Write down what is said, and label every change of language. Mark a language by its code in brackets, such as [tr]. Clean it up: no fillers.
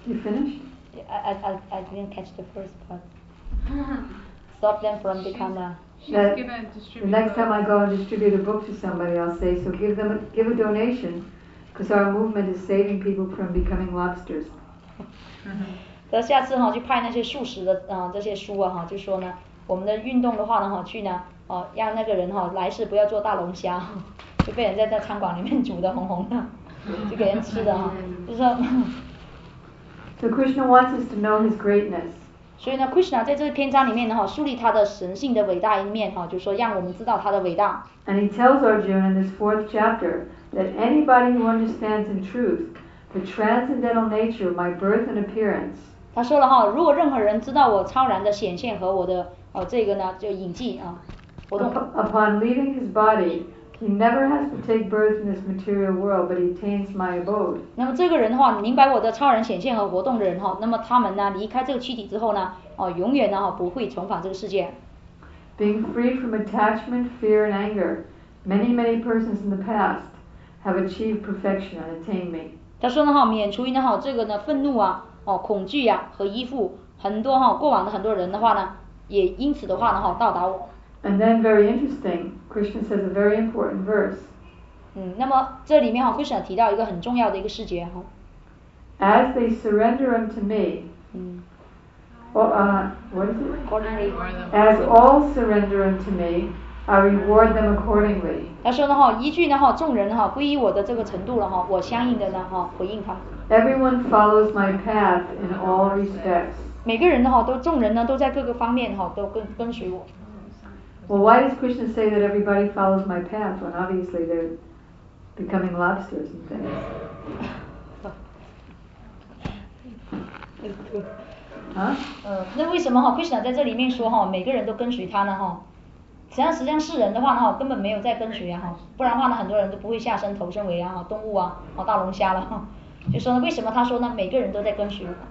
[en] You finished? I didn't catch the first part. Stop them from becoming a... The next time I go and distribute a book to somebody, I'll say, so give a donation, because our movement is saving people from becoming lobsters. [zh] 下次哈就派那些素食的这些书哈，就说呢，我们的运动的话呢哈，去呢哦，让那个人哈来世不要做大龙虾，就被人在餐馆里面煮的红红的，就给人吃的哈，就说。 [en] So Krishna wants us to know his greatness. [zh] 所以呢 ，Krishna 在这篇章里面呢，哈，树立他的神性的伟大一面，哈，就是说让我们知道他的伟大。 [en] And he tells Arjuna in this fourth chapter that anybody who understands in truth the transcendental nature of my birth and appearance. [zh] 他说了哈，如果任何人知道我超然的显现和我的哦这个呢，就隐迹啊，活动。 [en] Upon leaving his body. He never has to take birth in this material world, but he attains my abode. [zh] 那么这个人的话，明白我的超然显现和活动的人哈，那么他们呢，离开这个躯体之后呢，哦，永远呢哈不会重返这个世界。 [en] Being free from attachment, fear, and anger, many persons in the past have achieved perfection and attained me. [zh] 他说呢哈，免除呢哈这个呢愤怒啊，哦恐惧呀、啊、和依附，很多哈过往的很多人的话呢，也因此的话呢哈到达我。 [en] And then, very interesting, Krishna says a very important verse. [zh] 那么这里面哈 ，Krishna 提到一个很重要的一个细节哈。 [en] As they surrender unto me. What is it? Ordinary. As all surrender unto me, I reward them accordingly. [zh] 他说呢哈，依据呢哈，众人哈皈依我的这个程度了哈，我相应的呢哈回应他。 [en] Everyone follows my path in all respects. [zh] 每个人呢哈，都众人呢都在各个方面哈都跟随我。 [en] Well, why does Krishna say that everybody follows my path when obviously they're becoming lobsters and things? Huh? [zh] 那为什么哈 ，Krishna 在这里面说哈，每个人都跟随他呢哈？实际上是人的话呢根本没有在跟随啊，不然的话呢很多人都不会下身投身为啊动物啊大龙虾了，就说呢为什么他说呢每个人都在跟随。